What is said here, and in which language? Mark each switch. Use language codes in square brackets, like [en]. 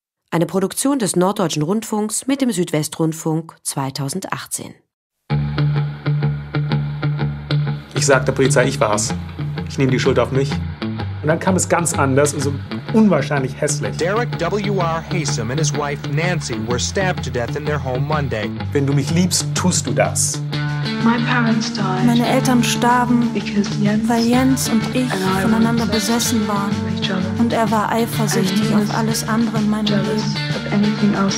[de] Eine Produktion des Norddeutschen Rundfunks mit dem Südwestrundfunk 2018. Ich sag der Polizei, ich war's. Ich nehme die Schuld auf mich. Und dann kam es ganz anders, also unwahrscheinlich hässlich. [en] Derek W.R. Haysom and his wife Nancy were stabbed to death in their home Monday. [de] Wenn du mich liebst, tust du das. [en] My parents died. [de] Meine Eltern starben, weil Jens und ich voneinander besessen waren. Und er war eifersüchtig auf alles andere in meinem Leben.